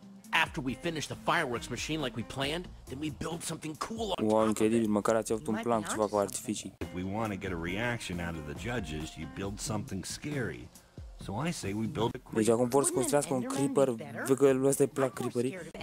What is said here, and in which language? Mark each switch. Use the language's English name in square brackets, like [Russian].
[English] After we finish the fireworks machine like we planned, then we build something cool on top of it. [Romanian] Incredibil, măcar ați avut un plan cu ceva cu artificii. [English] If we want to get a reaction out of the judges, you build something scary. So I say we build a creeper. [Romanian] Deci acum vor să construiască un creeper, văd că lui ăsta îi plac creeperii.